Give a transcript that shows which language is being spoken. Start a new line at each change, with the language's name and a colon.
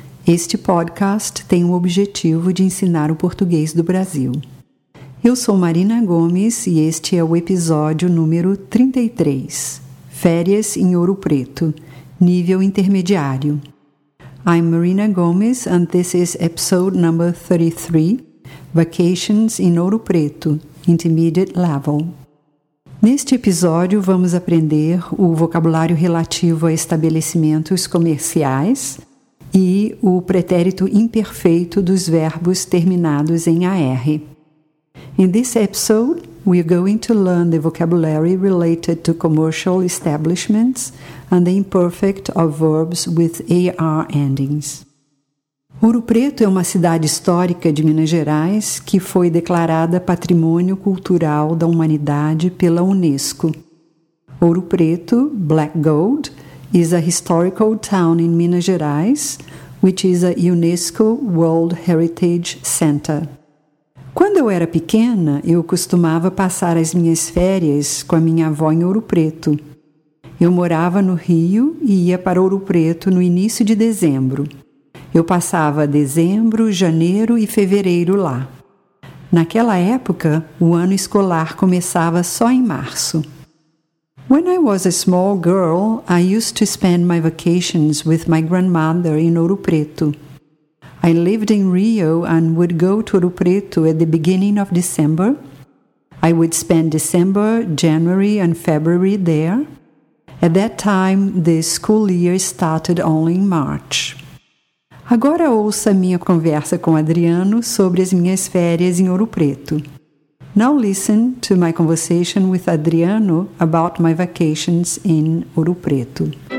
Portuguese: Este podcast tem o objetivo de ensinar o português do Brasil. Eu sou Marina Gomes e este é o episódio número 33. Férias em Ouro Preto, nível intermediário.
English: I'm Marina Gomes and this is episode number 33. Vacations in Ouro Preto, Intermediate Level.
Portuguese: Neste episódio, vamos aprender o vocabulário relativo a estabelecimentos comerciais e o pretérito imperfeito dos verbos terminados em AR.
English: In this episode, we are going to learn the vocabulary related to commercial establishments and the imperfect of verbs with AR endings.
Portuguese: Ouro Preto é uma cidade histórica de Minas Gerais que foi declarada Patrimônio Cultural da Humanidade pela Unesco.
English: Ouro Preto, Black Gold, is a historical town in Minas Gerais, which is a UNESCO World Heritage Center.
Portuguese: Quando eu era pequena, eu costumava passar as minhas férias com a minha avó em Ouro Preto. Eu morava no Rio e ia para Ouro Preto no início de dezembro. Eu passava dezembro, janeiro e fevereiro lá. Naquela época, o ano escolar começava só em março.
English: When I was a small girl, I used to spend my vacations with my grandmother in Ouro Preto. I lived in Rio and would go to Ouro Preto at the beginning of December. I would spend December, January and February there. At that time, the school year started only in March.
Portuguese: Agora ouça minha conversa com Adriano sobre as minhas férias em Ouro Preto.
English: Now listen to my conversation with Adriano about my vacations in Ouro Preto.